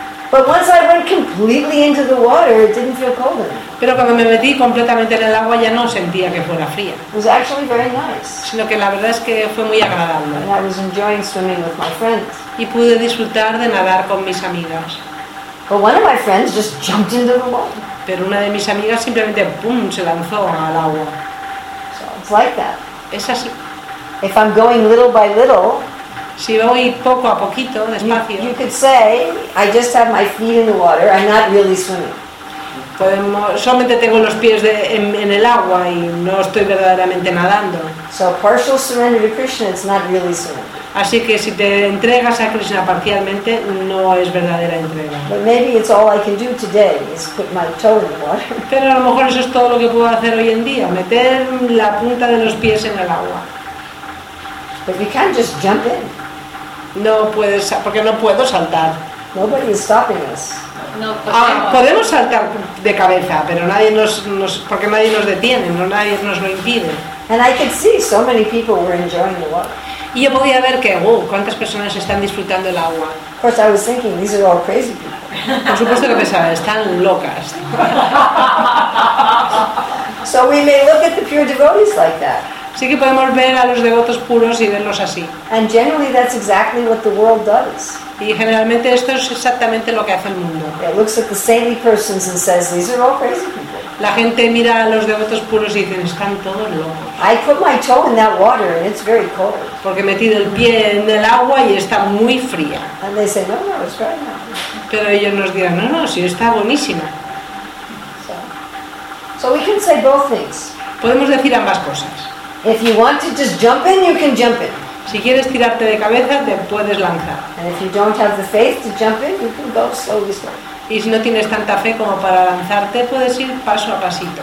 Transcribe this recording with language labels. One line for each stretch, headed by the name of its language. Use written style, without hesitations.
English: But once I went completely into the water, it didn't feel cold anymore.
Spanish: Pero cuando me metí completamente en el agua ya no sentía que fuera fría.
English: It was actually very nice.
Spanish: Sino que la verdad es que fue muy agradable.
English: And I was enjoying swimming with my friends.
Spanish: Y pude disfrutar de nadar con mis amigas.
English: But one of my friends just jumped into the water.
Spanish: Pero una de mis amigas simplemente pum se lanzó al agua.
English: So it's like that.
Spanish: Es así.
English: If I'm going little by little.
Spanish: Si voy poco a poquito, despacio.
English: You could say, I just have my feet in the water, I'm not really swimming.
Spanish: Solamente tengo los pies en el agua y no estoy verdaderamente nadando.
English: So partial surrender to Krishna is not really swimming.
Spanish: Así que si te entregas a Krishna parcialmente, no es verdadera entrega.
English: But maybe it's all I can do today is put my toe in the water.
Spanish: Pero a lo mejor eso es todo lo que puedo hacer hoy en día, meter la punta de los pies en el agua.
English: But you can't just jump in.
Spanish: No puedes, porque no puedo saltar.
English: Nobody is stopping us.
Spanish: No, podemos saltar de cabeza, pero nadie nos detiene, no nadie nos lo impide.
English: And I could see so many people were enjoying the water.
Spanish: Y yo podía ver que, cuántas personas están disfrutando el agua.
English: Of course, I was thinking these are all crazy people.
Spanish: Por supuesto que pensaba, están locas.
English: So we may look at the pure devotees like that.
Spanish: Sí que podemos ver a los devotos puros y verlos así.
English: And generally that's exactly what the world does.
Spanish: Y generalmente esto es exactamente lo que hace el mundo.
English: It looks at the saintly persons and says, these are all crazy people.
Spanish: La gente mira a los devotos puros y dicen, están todos locos.
English: I put my toe in that water and it's very cold.
Spanish: Porque he metido el pie en el agua y está muy fría.
English: And they say, no, it's great.
Spanish: Pero ellos nos dirán, no, sí, está buenísima.
English: So we can say both things.
Spanish: Podemos decir ambas cosas.
English: If you want to just jump in, you can jump in.
Spanish: Si quieres tirarte de cabeza, te puedes lanzar.
English: And if you don't have the faith to jump in, you can go slowly, slowly.
Spanish: Y si no tienes tanta fe como para lanzarte, puedes ir paso a pasito.